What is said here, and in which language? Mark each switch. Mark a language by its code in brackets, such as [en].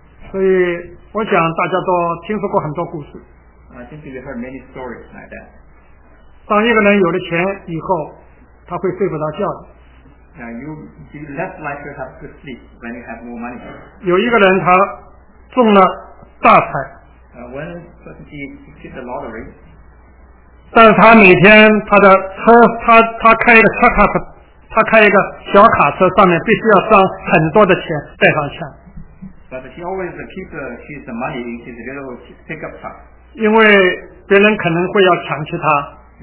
[zh] 所以我想大家都听说过很多故事。 [en] I think you've heard many stories like that. [zh] 当一个人有了钱以后，他会睡不着觉的。 [en] Now you be less likely to have good sleep when you have more money. [zh] 有一个人他中了大彩。 [en] When he hit the lottery. [zh] 但是他每天他的车，他开的车卡，他开一个小卡车，上面必须要装很多的钱，带上钱。 [en] But he always keeps his money in his little pickup truck. [zh] 因为别人可能会要抢去他，